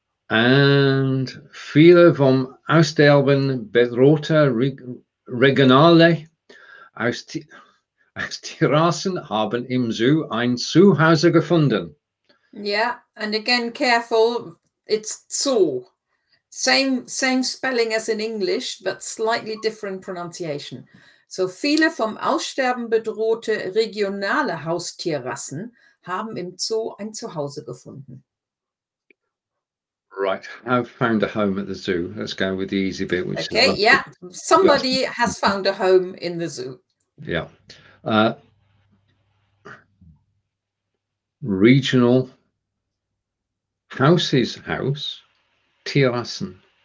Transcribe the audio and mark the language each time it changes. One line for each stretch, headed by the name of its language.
German: And viele vom Austerben bedrohte regionale aus Tierrassen haben im Zoo ein Zuhause gefunden.
English: Yeah, and again, careful, it's Zoo. Same spelling as in English, but slightly different pronunciation.
German: So viele vom Aussterben bedrohte regionale Haustierrassen haben im Zoo ein Zuhause gefunden.
English: Right, I've found a home at the zoo. Let's go with the easy bit. Which okay, is yeah, good. Somebody has found a home in the zoo. Yeah. Regional house Tierrassen